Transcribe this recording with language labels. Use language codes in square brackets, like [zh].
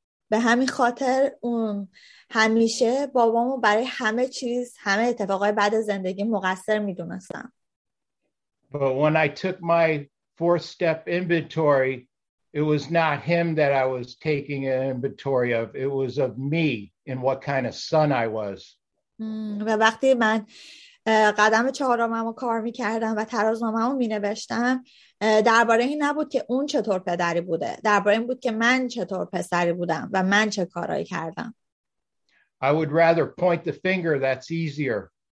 [fa] به همین خاطر اون همیشه بابامو برای همه چیز، همه اتفاقای بعد زندگی مقصر میدونستم. [en] But when I took my fourth step inventory, it was not him that I was taking an inventory of. It was of me and what kind of son I was. [fa] و وقتی من قدم چهارممو کار میکردم و ترازنامه‌مو مینوشتم، درباره این نبود که اون چطور پدری بوده، درباره این بود که من چطور پسری بودم و من چه کارایی کردم. [en] I would rather point the finger, that's easier.